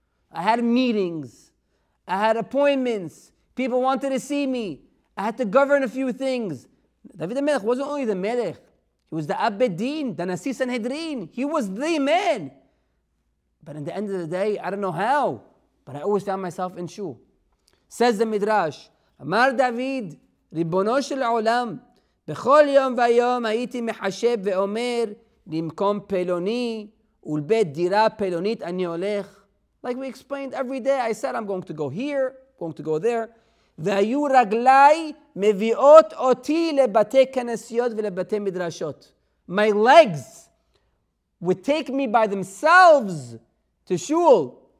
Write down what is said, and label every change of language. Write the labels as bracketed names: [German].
[English] I had meetings. I had appointments. People wanted to see me. I had to govern a few things. David HaMelech wasn't only the Melech. He was the Abed Din, the Nasi Sanhedrin. He was the man. But in the end of the day, I don't know how, but I always found myself in shul. Says the Midrash, [Hebrew] Amar David, Ribono shel Olam, בכל יום ויום הייתי מחשב ואומר למקום פלוני ולבית דירה פלונית אני הולך. [English] Like we explained, every day I said I'm going to go here, going to go there. [Hebrew] והיו רגליי מביאות אותי לבתי כנסיות ולבתי מדרשות. [English] My legs would take me by themselves to shul.